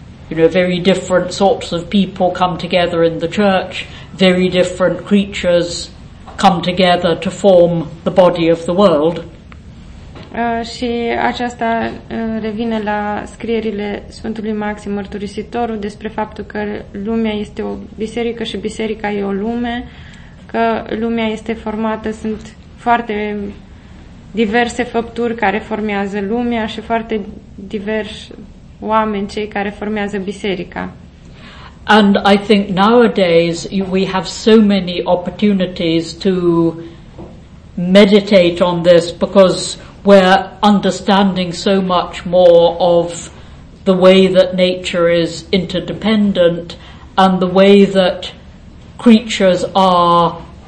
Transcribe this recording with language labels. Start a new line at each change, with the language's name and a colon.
English: You know, very different sorts of people come together in the church, very different creatures come together to form the body of the world.
Romanian: Și aceasta revine la scrierile Sfântului Maxim Mărturisitorul despre faptul că lumea este o biserică și biserica e o lume, că lumea este formată, sunt foarte diverse făpturi care formează lumea și foarte diversi oameni, cei care formează biserica.
English: And I think nowadays we have so many opportunities to meditate on this because we're understanding so much more of the way that nature is interdependent and the way that creatures are